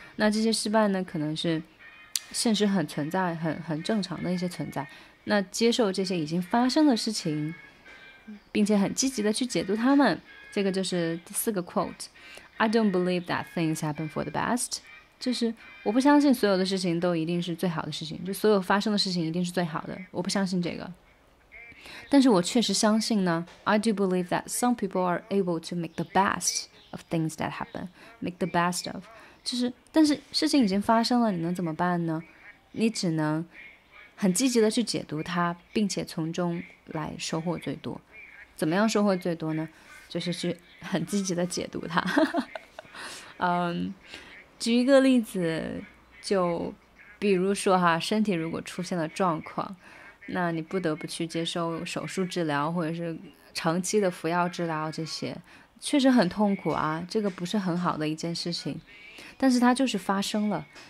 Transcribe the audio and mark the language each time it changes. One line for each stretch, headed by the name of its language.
Chinese: 那这些失败呢，可能是现实很存在很正常的一些存在，那接受这些已经发生的事情并且很积极的去解读他们，这个就是第四个 quote。
English: I don't believe that things happen for the best，
Chinese: 就是我不相信所有的事情都一定是最好的事情，就所有发生的事情一定是最好的，我不相信这个。但是我确实相信呢，
English: I do believe that some people are able to make the best of things that happen， make the best of，
Chinese: 就是但是事情已经发生了，你能怎么办呢？你只能很积极的去解读它，并且从中来收获最多。怎么样收获最多呢？就是去很积极的解读它。举一个例子，就比如说哈，身体如果出现了状况，那你不得不去接受手术治疗或者是长期的服药治疗，这些确实很痛苦啊，这个不是很好的一件事情，但是它就是发生了。